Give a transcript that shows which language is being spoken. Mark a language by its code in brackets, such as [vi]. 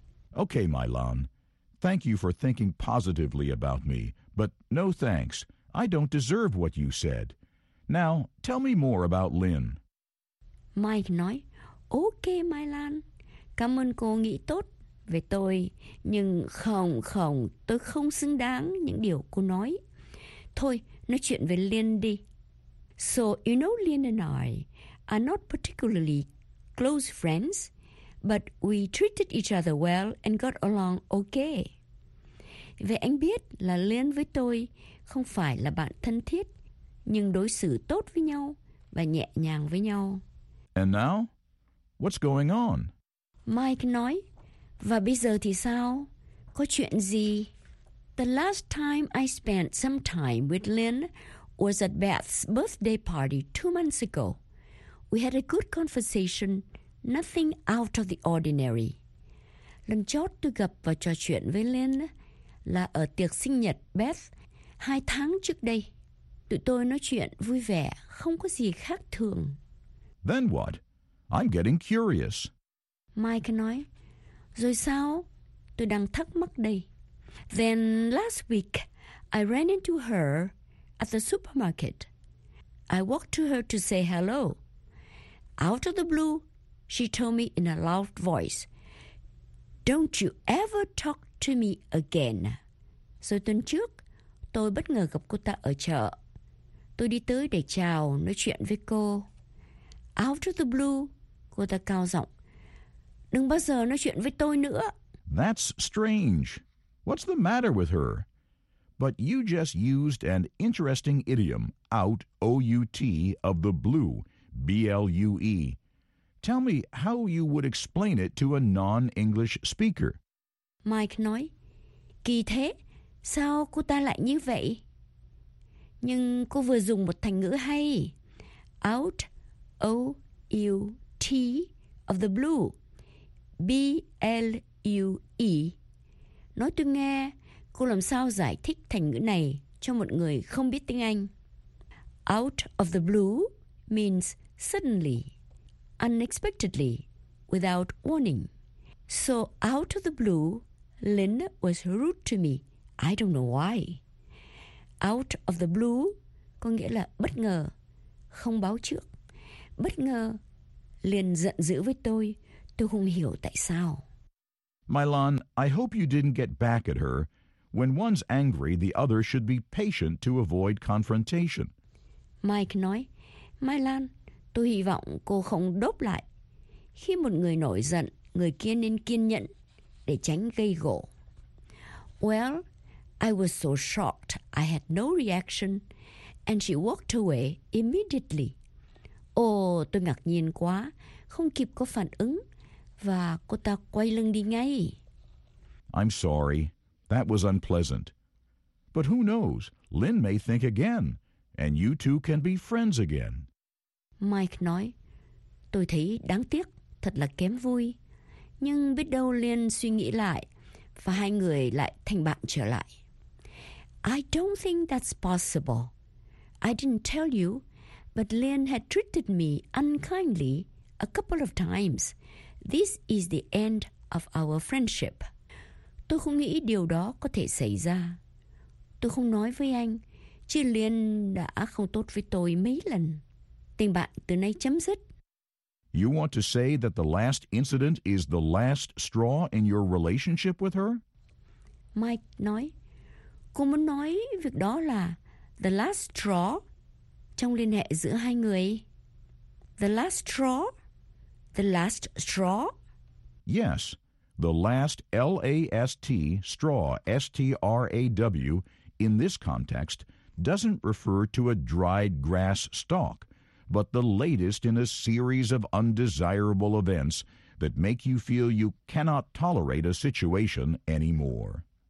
[en] Okay, Mylon. Thank you for thinking positively about me. But no thanks. I don't deserve what you said. Now, tell me more about Lynn. [vi] Mike nói, okay, Mylon. Cảm ơn cô nghĩ tốt về tôi. Nhưng không, không, tôi không xứng đáng những điều cô nói. Thôi, nói chuyện về Lynn đi. [en] So, you know Lynn and I are not particularly close friends, but we treated each other well and got along okay. [vi] Vậy anh biết là Lynn với tôi không phải là bạn thân thiết, nhưng đối xử tốt với nhau và nhẹ nhàng với nhau. [en] And now, what's going on? [vi] Mike nói, và bây giờ thì sao? Có chuyện gì? [en] The last time I spent some time with Lynn was at Beth's birthday party 2 months ago. We had a good conversation, nothing out of the ordinary. [vi] Lần chót tôi gặp và trò chuyện với Lynn là ở tiệc sinh nhật Beth 2 tháng trước đây. Tụi tôi nói chuyện vui vẻ, không có gì khác thường. [en] Then what? I'm getting curious. [vi] Mike nói, rồi sao? Tôi đang thắc mắc đây. [en] Then last week, I ran into her at the supermarket. I walked to her to say hello. Out of the blue, she told me in a loud voice, "Don't you ever talk to me again." [vi] Rồi tuần trước, tôi bất ngờ gặp cô ta ở chợ. Tôi đi tới để chào, nói chuyện với cô. [en] Out of the blue, [vi] cô ta cao giọng, "Đừng bao giờ nói chuyện với tôi nữa." [en] That's strange. What's the matter with her? But you just used an interesting idiom, out, O-U-T, of the blue, B-L-U-E. Tell me how you would explain it to a non-English speaker. [vi] Mike nói, kỳ thế, sao cô ta lại như vậy? Nhưng cô vừa dùng một thành ngữ hay. [en] Out, O-U-T, of the blue, B-L-U-E. U-E. [vi] Nói tôi nghe, cô làm sao giải thích thành ngữ này cho một người không biết tiếng Anh? [en] Out of the blue means suddenly, unexpectedly, without warning. So out of the blue, Linda was rude to me. I don't know why. Out of the blue [vi] có nghĩa là bất ngờ, không báo trước. Bất ngờ, liền giận dữ với tôi không hiểu tại sao. [en] Mylon, I hope you didn't get back at her. When one's angry, the other should be patient to avoid confrontation. [vi] Mike nói, Mylon, tôi hy vọng cô không đốp lại. Khi một người nổi giận, người kia nên kiên nhẫn để tránh gây gổ. [en] Well, I was so shocked I had no reaction, and she walked away immediately. [vi] Oh, tôi ngạc nhiên quá, không kịp có phản ứng, và cô ta quay lưng đi ngay. [en] I'm sorry, that was unpleasant. But who knows, Lynn may think again, and you two can be friends again. [vi] Mike nói, tôi thấy đáng tiếc, thật là kém vui. Nhưng biết đâu Lynn suy nghĩ lại, và hai người lại thành bạn trở lại. [en] I don't think that's possible. I didn't tell you, but Lynn had treated me unkindly a couple of times. This is the end of our friendship. [vi] Tôi không nghĩ điều đó có thể xảy ra. Tôi không nói với anh, chứ Lynn đã không tốt với tôi mấy lần. Tình bạn từ nay chấm dứt. [en] You want to say that the last incident is the last straw in your relationship with her? [vi] Mike nói, cô muốn nói việc đó là [en] the last straw [vi] trong liên hệ giữa hai người. [en] The last straw? The last straw? Yes, the last L-A-S-T straw, S-T-R-A-W, in this context, doesn't refer to a dried grass stalk, but the latest in a series of undesirable events that make you feel you cannot tolerate a situation anymore.